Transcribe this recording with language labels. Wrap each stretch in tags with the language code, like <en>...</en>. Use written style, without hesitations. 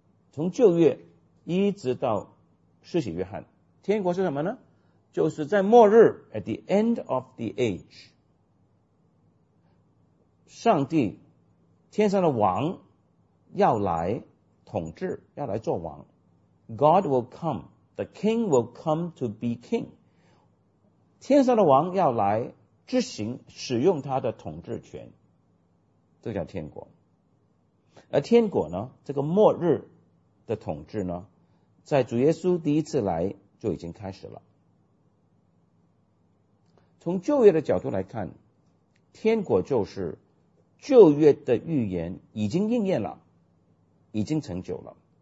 <zh>从旧约一直到施洗约翰，天国是什么呢？就是在末日</zh> <en>at the end of the age，</en> <zh>上帝天上的王要来统治，要来做王。</zh> <en>God will come， the king will come to be king，</en> <zh>天上的王要来执行使用他的统治权，这叫天国。而天国呢，这个末日的统治呢，在主耶稣第一次来就已经开始了。从旧约的角度来看，天国就是旧约的预言已经应验了，已经成就了。</zh>